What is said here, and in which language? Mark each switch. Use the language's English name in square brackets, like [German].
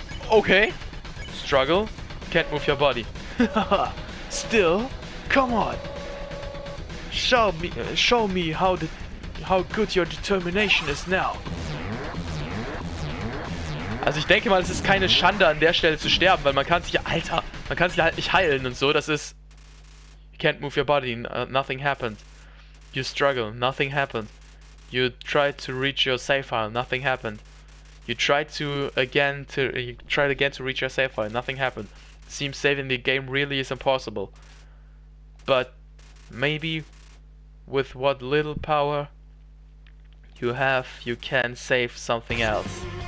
[English] Okay. Struggle. Can't move your body. Still? Come on! Show me how good your determination is now. [German] Also ich denke mal, es ist keine Schande, an der Stelle zu sterben, weil man kann sich ja, Alter, man kann sich halt nicht heilen und so, das ist... [English] You can't move your body, nothing happened. You struggle, nothing happened. You tried to reach your save file, nothing happened. You tried again to reach your save file, nothing happened. Seems saving the game really is impossible. But maybe with what little power you have, you can save something else.